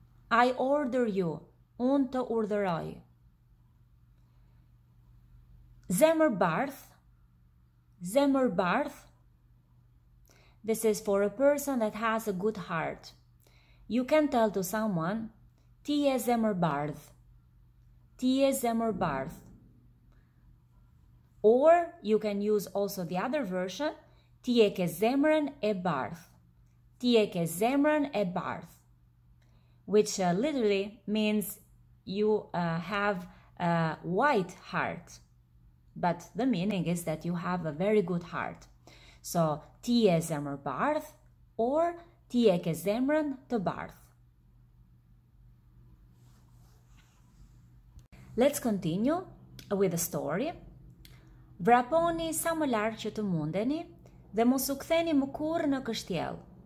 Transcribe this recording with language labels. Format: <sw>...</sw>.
<en>I order you,</en> <sq>un të urdhëroj. Zemër bardh,</sq> <en>this is for a person that has a good heart. You can tell to someone,</en> <sq>ti je zemër bardh, ti je zemër bardh.</sq> <en>Or you can use also the other version,</en> <sq>ti je ke zemrën e bardh, ti je ke zemrën e bardh.</sq> <en>Which literally means you have a white heart, but the meaning is that you have a very good heart.</en> <sq>So, ti e zemër bardh or ti e ke zemrën të bardh.</sq> <en>Let's continue with the story.</en> <sq>Vraponi sa më larg që të mundeni dhe mos u ktheni më kurrë në kështjell.</sq>